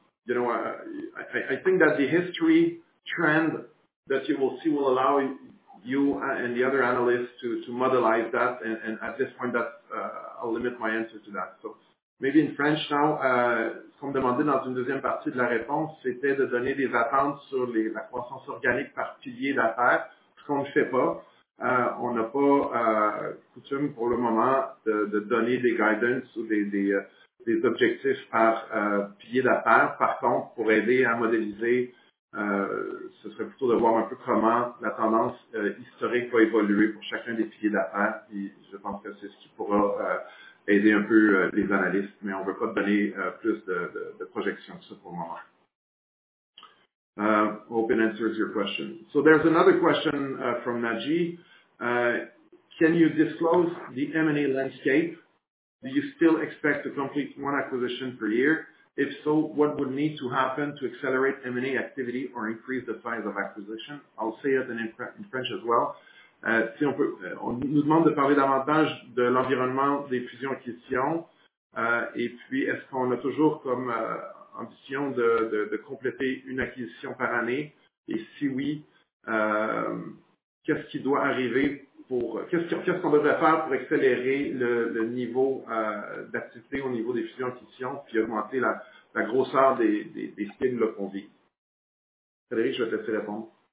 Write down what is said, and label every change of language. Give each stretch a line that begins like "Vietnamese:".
English: I think that the history trend that you will see will allow you and the other analysts to modelize that. And at this point, I'll limit my answer to that. So maybe in French now.
French: Ce qu'on me demandait dans une deuxième partie de la réponse, c'était de donner des attentes sur la croissance organique par pilier d'affaires, ce qu'on ne fait pas. On n'a pas coutume pour le moment de donner des guidance ou des objectifs par pilier d'affaires. Par contre, pour aider à modéliser, ce serait plutôt de voir un peu comment la tendance historique va évoluer pour chacun des piliers d'affaires. Et je pense que c'est ce qui pourra aider un peu les analystes, mais on ne veut pas donner plus de projections que ça pour le moment.
English: Hope it answers your question. So there's another question from Naji. Can you disclose the M&A landscape? Do you still expect to complete one acquisition per year? If so, what would need to happen to accelerate M&A activity or increase the size of acquisition? I'll say it in French as well.
French: Si on peut, on nous demande de parler davantage de l'environnement des fusions acquisitions, et puis est-ce qu'on a toujours comme ambition de compléter une acquisition par année, et si oui, qu'est-ce qui doit arriver qu'est-ce qu'on devrait faire pour accélérer le niveau d'activité au niveau des fusions acquisitions, puis augmenter la grosseur des cibles qu'on vit. Frédéric, je vais te laisser répondre.